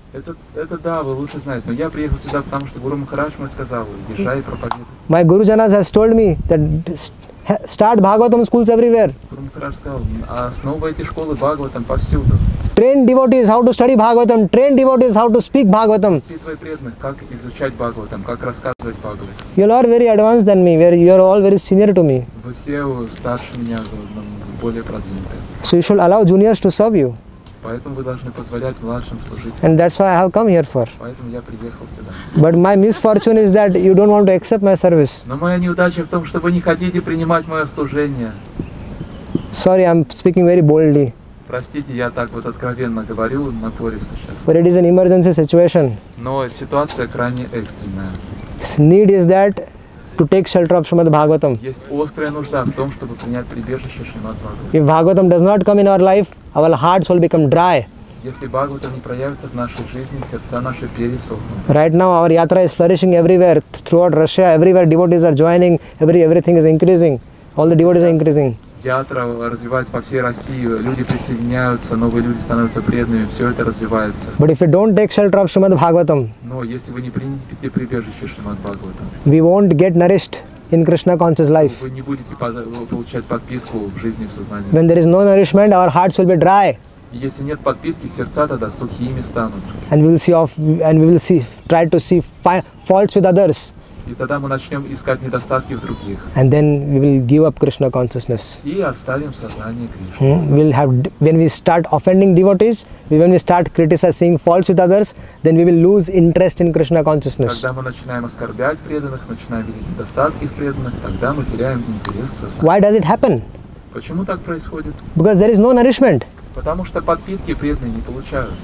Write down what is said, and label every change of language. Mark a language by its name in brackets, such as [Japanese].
[Russian] Это да, вы лучше знаете. Но я приехал сюда, потому что Гуру Махарадж мне сказал, езжай и проповедуй. [English] My Guru Janas has told me that start Bhagavatam schools everywhere. [Russian] Гуру Махарадж сказал, основывай эти школы Бхагаватам повсюду. [English] Train devotees how to study Bhagavatam. Train devotees how to speak Bhagavatam. [Russian] Воспитывай преданных, как изучать Бхагаватам, как рассказывать Бхагаватам. [English] You are very advanced than me. You are all very senior to me. [Russian] Вы все старше меня, более продвинутые. [English] So you should allow juniors to serve you. [Russian] Поэтому вы должны позволять младшим служить. [English] And that's why I have come here for. [Russian] Поэтому я приехал сюда. [English] But my misfortune is that you don't want to accept my service. [Russian] Но моя неудача в том, что вы не хотите принимать мое служение. [English] Sorry, I'm speaking very boldly. [Russian] Простите, я так вот откровенно говорю, напористо сейчас. [English] But it is an emergency situation. [Russian] Но ситуация крайне экстренная. [English] Need is that to take shelter of Srimad Bhagavatam. [Russian] Есть острая нужда в том, чтобы принять прибежище Srimad Bhagavatam. [English] If Bhagavatam does not come in our life, our hearts will become dry. [Russian] Если Бхагавата не проявится в нашей жизни, сердца наши пересохнут. [English] Right now our yatra is flourishing everywhere throughout Russia. Everywhere devotees are joining. Everything is increasing. All the devotees are increasing. [Russian] Yatra развивается по всей России. Люди присоединяются, новые люди становятся преданными. Все это развивается. [English] But if you don't take shelter of Srimad Bhagavatam, [Russian] но если вы не примете прибежище Srimad Bhagavatam, [English] we won't get nourished in Krishna conscious life. [Russian] Вы не будете получать подпитку в жизни, в сознании. [English] When there is no nourishment, our hearts will be dry. [Russian] Если нет подпитки, сердца тогда сухими станут. [English] And we will try to see faults with others. [Russian] И тогда мы начнем искать недостатки в других. [English] And then we will give up Krishna consciousness. [Russian] И оставим сознание Кришны. [English] When we start offending devotees, when we start criticizing faults with others, then we will lose interest in Krishna consciousness. [Russian] Когда мы начинаем оскорблять преданных, начинаем видеть недостатки в преданных, тогда мы теряем интерес к сознанию. [English] Why does it happen? [Russian] Почему так происходит? [English] Because there is no nourishment. [Russian] Потому что подпитки преданные не получают.